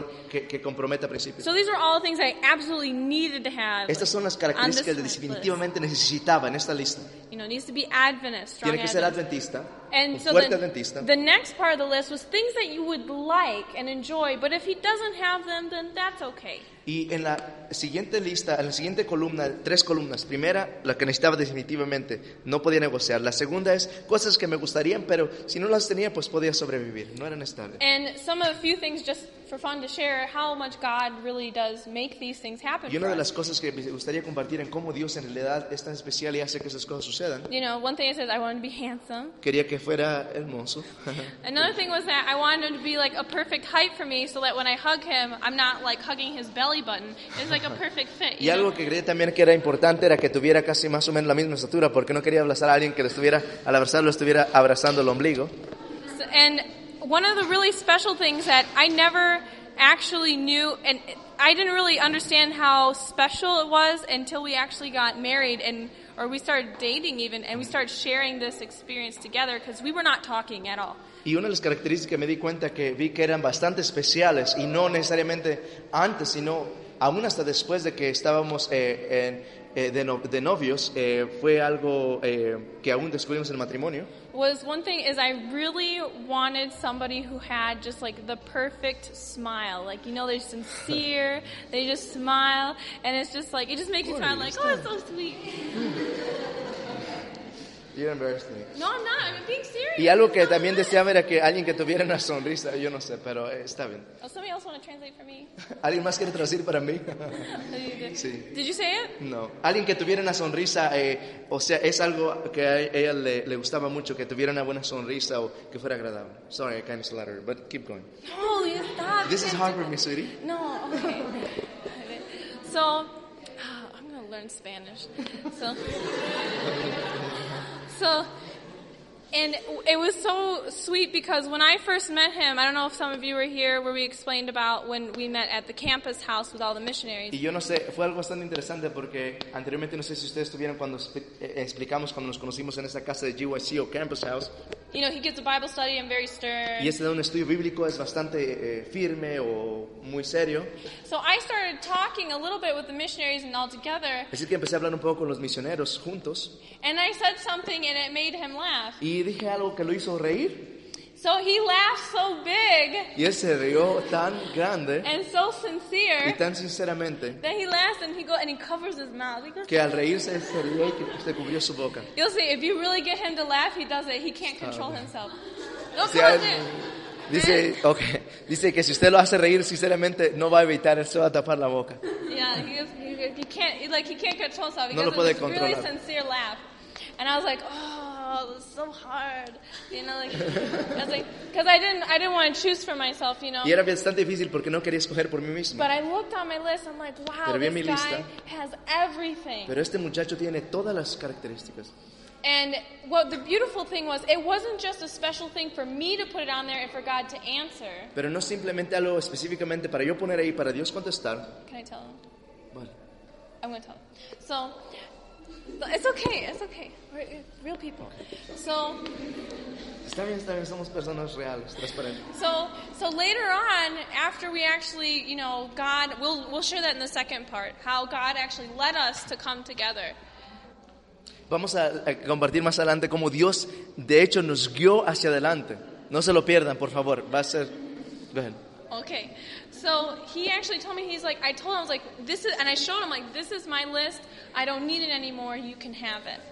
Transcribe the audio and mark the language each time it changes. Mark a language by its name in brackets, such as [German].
[Spanish] Que comprometa principios. [English] So these are all things I absolutely needed to have. [Spanish] Estas son las características que definitivamente necesitaba en esta lista. [English] You know, needs to be Adventist, strong. [Spanish] Tiene que ser adventista. [English] And so [Spanish] fuerte adventista. [English] The next part of the list was things that you would like and enjoy, but if he doesn't have them, then that's okay. [Spanish] Y en la siguiente lista, en la siguiente columna, tres columnas. Primera, la que necesitaba definitivamente, no podía negociar. La segunda es cosas que me gustarían, pero si no las tenía, pues podía sobrevivir. No eran estables. [English] And some of a few things just for fun to share how much God really does make these things happen. [Spanish] Y una de las cosas que me gustaría compartir en cómo Dios en realidad es tan especial y hace que esas cosas sucedan. [English] You know, one thing I said, I wanted to be handsome. [Spanish] Quería que fuera hermoso. [English] Another thing was that I wanted him to be like a perfect height for me so that when I hug him, I'm not like hugging his belly button. It's like a perfect fit. [Spanish] Y algo que creía también que era importante era que tuviera casi más o menos la misma estatura porque no quería abrazar a alguien que al abrazarlo estuviera abrazando el ombligo. [English] And one of the really special things that I never actually knew, and I didn't really understand how special it was until we actually got married, or we started dating even, and we started sharing this experience together because we were not talking at all. [Spanish] Y una de las características que me di cuenta que vi que eran bastante especiales, y no necesariamente antes, sino aún hasta después de que estábamos de novios, fue algo que aún descubrimos en el matrimonio. [English] Was one thing is I really wanted somebody who had just like the perfect smile, like you know they're sincere, they just smile, and it's just like it just makes you smile, like oh it's so sweet. You're embarrassing me. No, I'm not. I'm being serious. [Spanish] Y algo que también deseaba era que alguien que tuviera una sonrisa, yo no sé, pero está bien. [English] Oh, somebody else want to translate for me? [Spanish] ¿Alguien más quiere traducir para mí? [English] Sí. Did you say it? No. [Spanish] Alguien que tuviera una sonrisa, o sea, es algo que a ella le gustaba mucho, que tuviera una buena sonrisa o que fuera agradable. [English] Sorry, I kind of slaughtered, but keep going. Holy, stop. This is hard for me, sweetie. No, okay. So, I'm going to learn Spanish. So, and it was so sweet because when I first met him, I don't know if some of you were here where we explained about when we met at the campus house with all the missionaries. [Spanish] Y yo no sé, fue algo bastante interesante porque anteriormente no sé si ustedes estuvieron cuando explicamos cuando nos conocimos en esa casa de GYC o campus house. [English] You know, he gets a Bible study and very stern. [Spanish] Y ese da un estudio bíblico, es bastante firme o muy serio. [English] So I started talking a little bit with the missionaries and all together. [Spanish] Así que empecé a hablar un poco con los misioneros juntos. [English] And I said something and it made him laugh. [Spanish] Y dije algo que lo hizo reír. [English] So he laughed so big. [Spanish] Y él se rió tan grande. [English] And so sincere. [Spanish] Y tan sinceramente. [English] That he laughs and he covers his mouth. He goes, [Spanish] que al reírse él se rió y que se cubrió su boca. [English] You'll see, if you really get him to laugh, he does it. He can't control himself. No cause it. [Spanish] Dice, okay. Dice que si usted lo hace reír sinceramente, no va a evitar, él se va a tapar la boca. [English] Yeah, he can't control himself. [Spanish] No lo puede controlar. [English] Really sincere laugh. And I was like, oh, it was so hard, you know, like, because I didn't want to choose for myself, you know. [Spanish] Y era bastante difícil porque no quería escoger por mí mismo. [English] But I looked on my list, I'm like, wow, [Spanish] pero mi lista, [English] guy has everything. [Spanish] Pero este muchacho tiene todas las características. [English] And what the beautiful thing was, it wasn't just a special thing for me to put it on there and for God to answer. [Spanish] Pero no simplemente algo específicamente para yo poner ahí para Dios contestar. [English] Can I tell him? [Spanish] Vale. [English] I'm going to tell him. So, It's okay. We're real people. So. [Spanish] Está bien, somos personas reales, transparentes. [English] So later on, after we actually, you know, God, we'll share that in the second part, how God actually led us to come together. [Spanish] Vamos a compartir más adelante cómo Dios, de hecho, nos guió hacia adelante. No se lo pierdan, por favor. Va a ser. Ven. [English] Okay. So he actually told me, he's like, I told him, I was like, this is, and I showed him, like, this is my list, I don't need it anymore, you can have it.